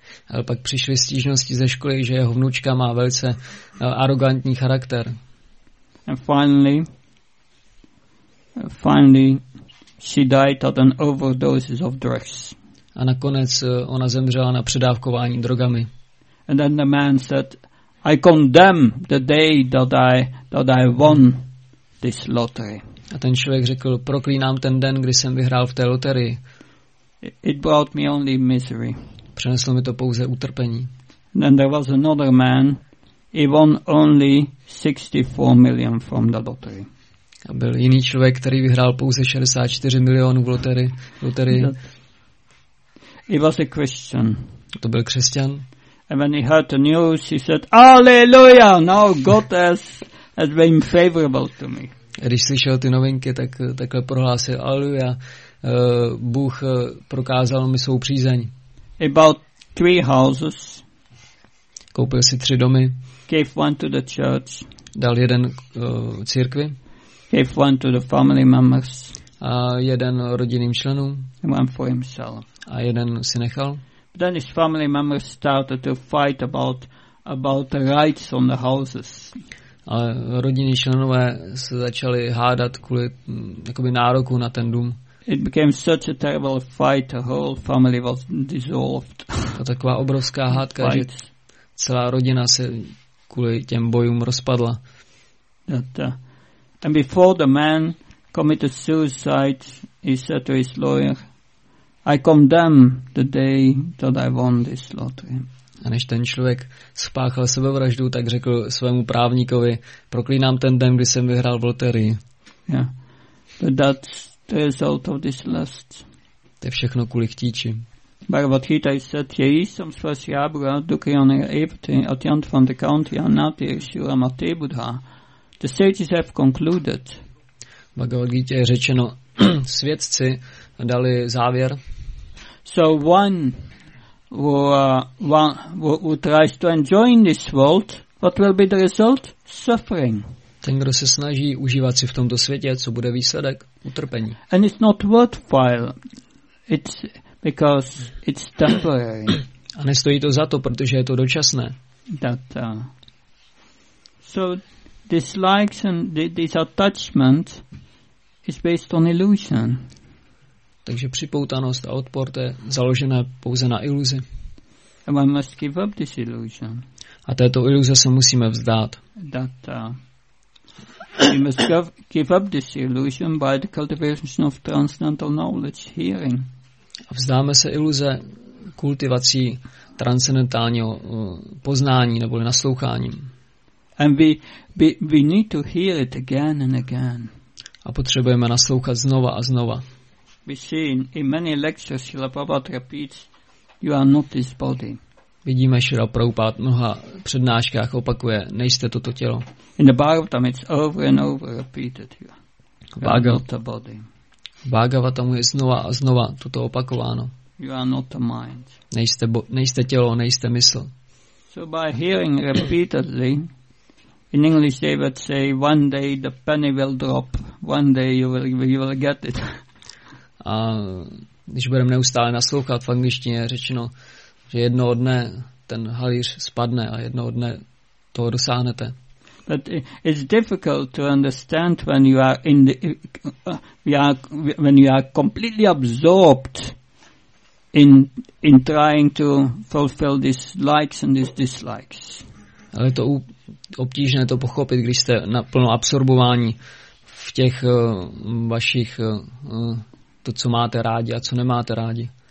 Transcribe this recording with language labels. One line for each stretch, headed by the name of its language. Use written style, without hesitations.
Czech: Ale pak přišly stížnosti ze školy, že jeho vnučka má velice arrogantní charakter.
English: And finally she died at an overdose of drugs.
Czech: A nakonec ona zemřela na předávkování drogami.
English: And then the man said, I condemn the day that I won this lottery.
Czech: A ten člověk řekl, proklínám ten den, kdy jsem vyhrál v té loterii.
English: It brought me only misery.
Czech: Přineslo mi to pouze utrpení.
English: And then there was another man, he won only 64 million from the lottery.
Czech: A byl jiný člověk, který vyhrál pouze 64 milionů v loterii.
English: He was a Christian.
Czech: To byl křesťan.
English: And when he heard the news, he said, Alleluia, now God has been favorable to me.
Czech: Když slyšel ty novinky, tak takhle prohlásil, Alleluia, Bůh prokázal mi svou přízeň.
English: About three houses.
Czech: Koupil si tři domy.
English: Gave one to the church.
Czech: Dal jeden církvi.
English: Gave one to the family members.
Czech: A jeden rodinným členům.
English: One for himself.
Czech: A jeden si nechal.
English: Then his family members started to fight about the rights on the houses.
Czech: Ale rodinní členové se začali hádat kvůli jakoby nároku na ten dům.
English: It became such a terrible fight, the whole family was dissolved.
Czech: To taková obrovská hádka, že celá rodina se kvůli těm bojům rozpadla.
English: And before the man committed suicide, he said to his lawyer, I condemn the day that I won this lottery.
Czech: A než ten člověk spáchal sebevraždu, tak řekl svému právníkovi, proklínám ten den, kdy jsem vyhrál v loterii.
English: Yeah. But that's the result of this lust.
Czech: To je všechno kvůli chtíči.
English: Bhagavad Gita said, Je jisam svasya bhura dukriyana evti atyant van de kanti anati shura mate buddha. The sages have concluded.
Czech: Bhagavad Gita je řečeno, svědci dali závěr.
English: So one who tries to enjoy this world, what will be the result? Suffering.
Czech: Ten, kdo se snaží užívat si v tomto světě, co bude výsledek? Utrpení.
English: And it's not worthwhile. It's because it's temporary.
Czech: A nestojí to za to, protože je to dočasné.
English: That, so dislikes and this attachment is based on illusion.
Czech: Takže připoutanost a odpor, to je založené pouze na iluzi.
English: And we must give up this illusion.
Czech: A této iluze se musíme vzdát.
English: That, we must give up this illusion by the cultivation of transcendental knowledge, hearing.
Czech: A vzdáme se iluze kultivací transcendentálního poznání nebo nasloucháním.
English: And we need to hear it again and again.
Czech: A potřebujeme naslouchat znova a znova.
English: be seen in many lectures Srila Prabhupada repeats, you are not this body.
Czech: Vidíme, že Srila Prabhupada mnoha přednáškách opakuje, nejste toto tělo.
English: In the Bhagavatam it's over and over repeated, you are not the body.
Czech: Bhagavatamu je znova a znova toto opakováno.
English: You are not the mind.
Czech: Nejste tělo, nejste mysl.
English: So by hearing repeatedly, in English they would say, one day the penny will drop, one day you will get it.
Czech: A když budeme neustále naslouchat v angličtině, řečeno, že jednoho dne ten halíř spadne a jednoho dne toho dosáhnete.
English: But it's difficult to understand when you are in the when you are completely absorbed in trying to fulfill these likes and these dislikes.
Czech: Ale je to obtížné to pochopit, když jste naplno absorbováni v těch vašich to, co máte rádi a co nemáte rádi.